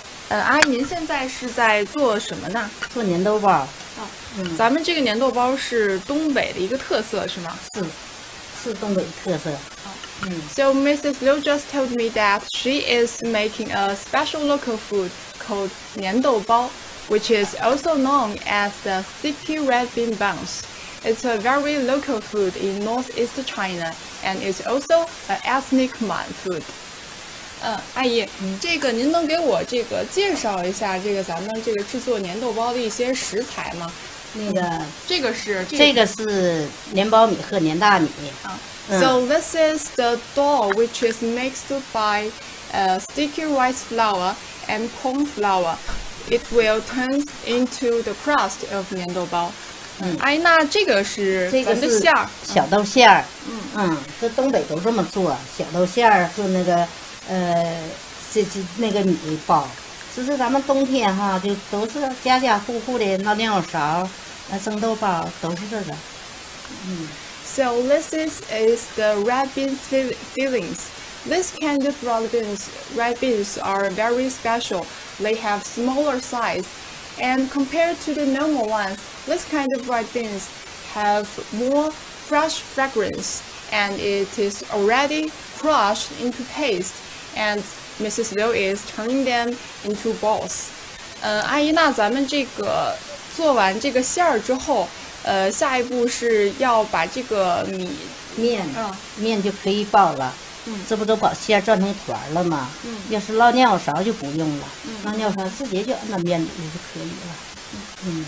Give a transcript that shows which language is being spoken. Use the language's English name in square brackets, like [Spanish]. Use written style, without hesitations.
[Chinese] 阿姨您现在是在做什么呢？做粘豆包。哦，咱们这个粘豆包是东北的一个特色是吗？是东北特色。 [English] So Mrs. Liu just told me that she is making a special local food called 粘豆包 which is also known as the sticky red bean buns. It's a very local food in northeast China and is also an ethnic Man food. [Chinese] 阿姨，这个您能给我这个介绍一下这个咱们这个制作粘豆包的一些食材吗？那个，这个是粘苞米和粘大米。 [English] So this is the dough which is mixed by sticky rice flour and corn flour. It will turn into the crust of 粘豆包。 [Chinese] 阿姨，那这个是咱的馅儿，小豆馅儿。这东北都这么做，小豆馅儿和那个。这那个米包，就是咱们冬天哈，就都是家家户户的闹尿勺，那蒸豆包都是这个。 [English] So this is the red bean fillings. This kind of red beans are very special. They have smaller size, and compared to the normal ones, this kind of red beans have more fresh fragrance, and it is already crushed into paste. And Mrs. Liu is turning them into balls. [Chinese] 阿姨，那咱们这个做完这个馅儿之后，下一步是要把这个米面，面就可以包了。这不都把馅儿转成团了吗？要是烙尿勺就不用了。烙尿勺直接就按到面里就可以了。